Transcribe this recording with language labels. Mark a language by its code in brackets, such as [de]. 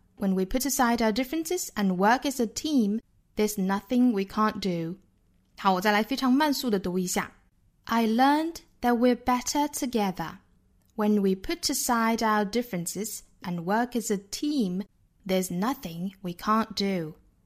[en] When we put aside our differences and work as a team, there's nothing we can't do. [zh] 好，我再来非常慢速地读一下。 [en] I learned that we're better together. When we put aside our differences and work as a team, there's nothing we can't do.